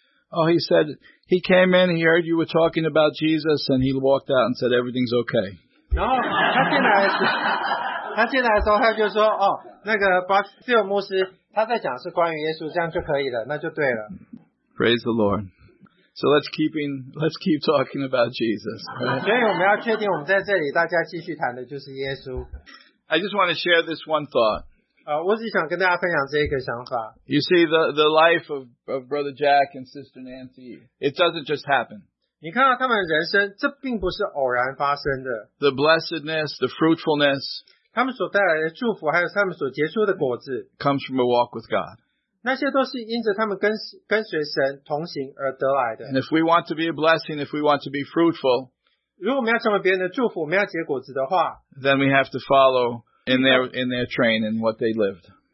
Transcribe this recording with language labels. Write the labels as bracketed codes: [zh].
[en] Oh, he said, he came in, he heard you were talking about Jesus, and he walked out and said, everything's okay. [zh] 然后他进来的时候，他就说，哦，那个巴斯蒂尔牧师，他在讲是关于耶稣，这样就可以了，那就对了。 [en] Praise the Lord. So let's keep talking about Jesus. Right? [zh] 所以我们要确定我们在这里大家继续谈的就是耶稣。 [en] I just want to share this one thought. [zh] 我只想跟大家分享这一个想法。 [en] You see, the life of Brother Jack and Sister Nancy, it doesn't just happen. [zh] 你看到他们的人生，这并不是偶然发生的。 [en] The blessedness, the fruitfulness, [zh] 他们所带来的祝福，还有他们所结出的果子, [en] comes from a walk with God. [zh] 那些都是因着他们跟随神同行而得来的。 [en] And if we want to be a blessing, if we want to be fruitful, [zh] 如果我们要成为别人的祝福，我们要结果子的话, [en] then we have to follow in their train and what they lived.